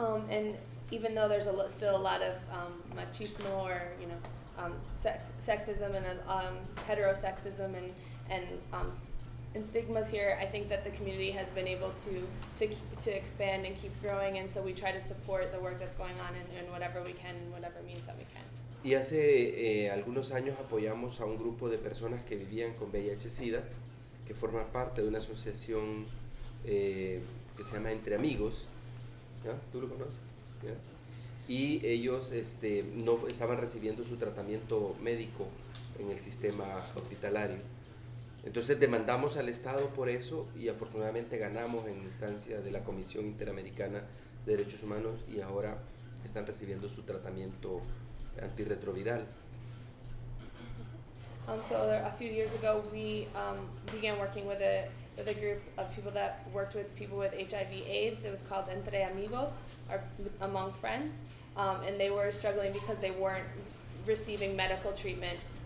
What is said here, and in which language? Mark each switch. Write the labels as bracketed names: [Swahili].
[English] And even though there's still a lot of machismo or, you know, sexism and heterosexism and stigmas here, I think that the community has been able to expand and keep growing, and so we try to support the work that's going on in whatever we can, whatever means that we can. [Spanish] Y hace algunos años apoyamos a un grupo de personas que vivían con VIH-Sida, que forma parte de una asociación que se llama Entre Amigos. ¿Ya? ¿Tú lo conoces? ¿Ya? Y ellos no estaban recibiendo su tratamiento médico en el sistema hospitalario. Entonces demandamos al Estado por eso y afortunadamente ganamos en instancia de la Comisión Interamericana de Derechos Humanos y ahora están recibiendo su tratamiento antirretroviral. [English] So a few years ago we began working with a group of people that worked with people with HIV/AIDS. It was called Entre Amigos, or Among Friends, and they were struggling because they weren't receiving medical treatment.